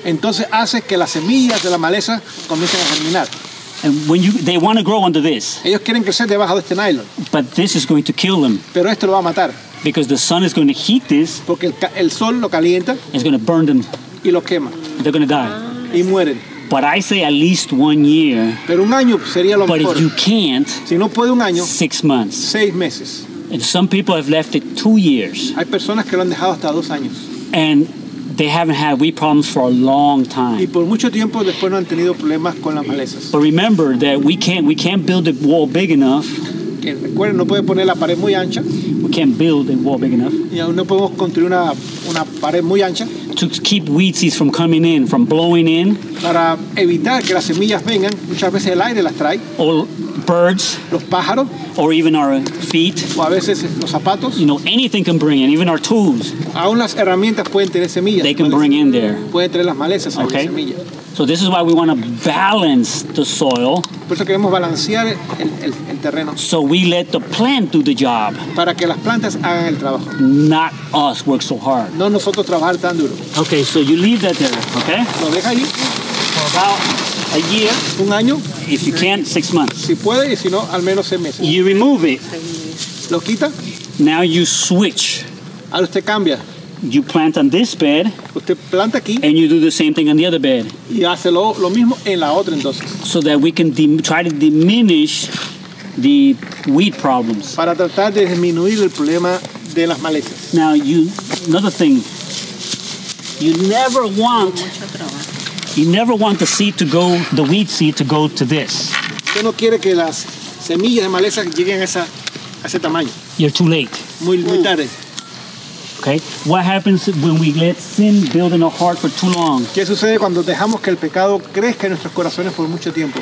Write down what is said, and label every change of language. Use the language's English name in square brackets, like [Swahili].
[Spanish] Entonces hace que las semillas de la maleza comiencen a germinar. [English] And when they want to grow under this. [Spanish] Ellos quieren crecer debajo de este nylon. [English] But this is going to kill them. [Spanish] Pero esto lo va a matar. [English] Because the sun is going to heat this. [Spanish] Porque el sol lo calienta. [English] It's going to burn them. [Spanish] Y lo quema. [English] They're going to die. [Spanish] Y mueren. [English] But I say at least 1 year. [Spanish] Pero un año sería lo [English] but [Spanish] mejor. [English] If you can't. [Spanish] Si no puede un año. [English] 6 months. [Spanish] 6 meses. [English] And some people have left it 2 years. [Spanish] Hay personas que lo han dejado hasta 2 años. [English] And they haven't had weed problems for a long time. [Spanish] Y por mucho tiempo después no han tenido problemas con las malezas. [English] But remember that we can't build a wall big enough. [Spanish] Recuerden, no puede poner la pared muy ancha. [English] We can't build a wall big enough. [Spanish] Y aún no podemos construir una pared muy ancha. [English] To keep weed seeds from coming in, from blowing in. [Spanish] Para evitar que las semillas vengan, muchas veces el aire las trae. [English] O birds. [Spanish] Los pájaros. [English] Or even our feet. [Spanish] O a veces los zapatos. [English] You know, anything can bring in, even our tools. [Spanish] Aún las herramientas pueden tener semillas. [English] They can bring in there. [Spanish] Pueden traer las malezas a las semillas. [English] So this is why we want to balance the soil. [Spanish] Por eso queremos balancear el terreno. [English] So we let the plant do the job. [Spanish] Para que las plantas hagan el trabajo. [English] Not us work so hard. [Spanish] No nosotros trabajar tan duro. [English] Okay, so you leave that there, okay? [Spanish] Lo deja allí. [English] For about a year. [Spanish] Un año. [English] If you can, 6 months. [Spanish] Si puede y si no, al menos 6 meses. [English] You remove it. [Spanish] Lo quita. [English] Now you switch. [Spanish] Ahora usted cambia. [English] You plant on this bed. [Spanish] Usted planta aquí. [English] And you do the same thing on the other bed. [Spanish] Y hace lo mismo en la otra entonces. [English] So that we can try to diminish the weed problems. [Spanish] Para tratar de disminuir el problema de las malezas. [English] Now you, another thing. You never want the seed to go, the weed seed to go to this. [Spanish] Usted no quiere que las semillas de maleza lleguen a ese tamaño. [English] You're too late. [Spanish] Muy tarde. [English] Okay. What happens when we let sin build in our heart for too long? [Spanish] ¿Qué sucede cuando dejamos que el pecado crezca en nuestros corazones por mucho tiempo?